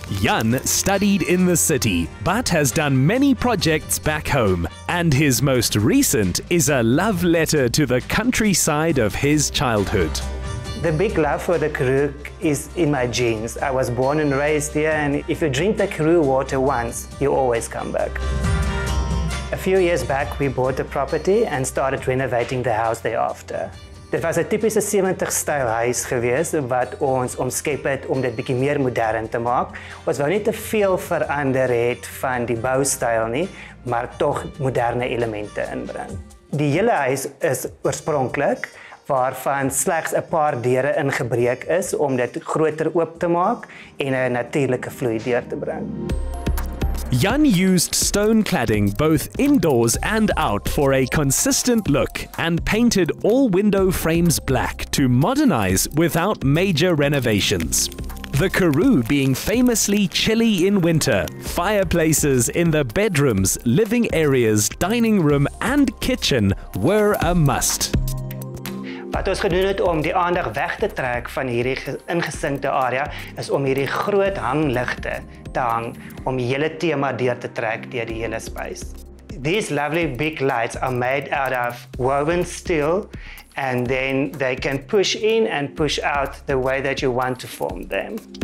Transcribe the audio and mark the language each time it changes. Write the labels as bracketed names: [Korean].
[English] Jan studied in the city, but has done many projects back home, and his most recent is a love letter to the countryside of his childhood. The big love for the Karoo is in my genes. I was born and raised here, and if you drink the Karoo water once, you always come back. A few years back, we bought the property and started renovating the house thereafter. [Afrikaans] Dit was 'n tipiese 70-styl huis gewees wat ons omskep het om dit bietjie meer modern te maak. Ons wou nie te veel verander het van die boustyl nie, maar tog moderne elemente inbring. Die hele huis is oorspronklik waarvan slegs 'n paar deure ingebreek is om dit groter oop te maak en 'n natuurlike vloei deur te bring. [English] Jan used stone cladding both indoors and out for a consistent look and painted all window frames black to modernize without major renovations. The Karoo being famously chilly in winter, fireplaces in the bedrooms, living areas, dining room and kitchen were a must. [Afrikaans] Wat ons gedoen het om die aandag weg te trek van hierdie ingesinkte area is om hierdie groot hangligte te hang om die hele tema deur te trek deur die hele space. [English] These lovely big lights are made out of woven steel and then they can push in and push out the way that you want to form them.